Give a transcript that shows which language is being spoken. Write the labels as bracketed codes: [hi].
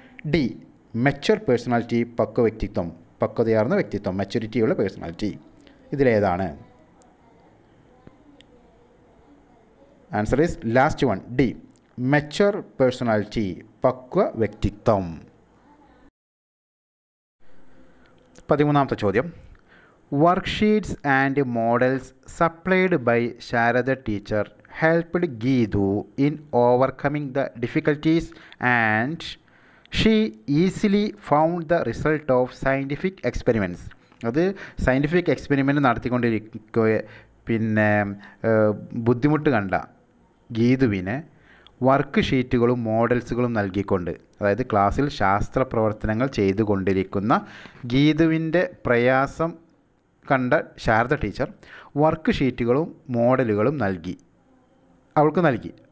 [en] the mature personality, [ml] പക്വ വ്യക്തിത്വം, പക്വതയാർന്ന വ്യക്തിത്വം, മെച്യൂരിറ്റിയുള്ള personality. ഇതിലേതാണ് answer? [en] is last one, the mature personality, [ml] പക്വ വ്യക്തിത്വം. 13-ാമത്തെ ചോദ്യം. [en] Worksheets and models supplied by Sharada teacher helped Geetu in overcoming the difficulties and she easily found the result of scientific experiments. [ml] അത് scientific experiment നടത്തിക്കൊണ്ടിരിക്കുകയെ പിന്നെ ബുദ്ധിമുട്ട് കണ്ട ഗീതുവിന് work ഷീറ്റുകളും മോഡൽസുകളും നൽകിക്കൊണ്ട്, അതായത് ക്ലാസ്സിൽ ശാസ്ത്ര പ്രവർത്തനങ്ങൾ ചെയ്തുകൊണ്ടിരിക്കുന്ന ഗീതുവിൻ്റെ പ്രയാസം കണ്ട ശാരദ ടീച്ചർ വർക്ക് ഷീറ്റുകളും മോഡലുകളും നൽകി, അവൾക്ക് നൽകി.